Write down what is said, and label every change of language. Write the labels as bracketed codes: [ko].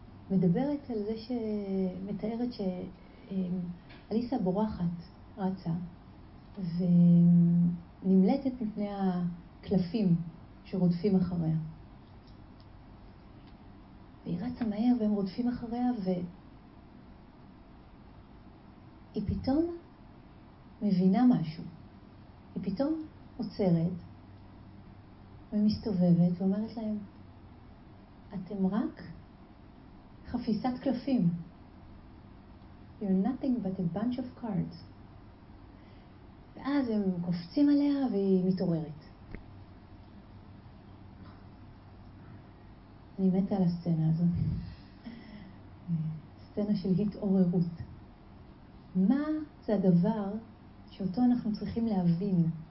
[he] מדברת על זה שמתארת שאליסה בורחת, רצה ונמלטת מפני הקלפים שרודפים אחריה, והיא רצה מהר והם רודפים אחריה, והיא פתאום מבינה משהו. היא פתאום עוצרת ומסתובבת ואומרת להם, אתם רק חפיסת קלפים. [en] You're nothing but a bunch of cards. [he] ואז הם קופצים עליה והיא מתעוררת. אני מתה על הסצנה הזו. סצנה של התעוררות. מה זה הדבר שאותו אנחנו צריכים להבין?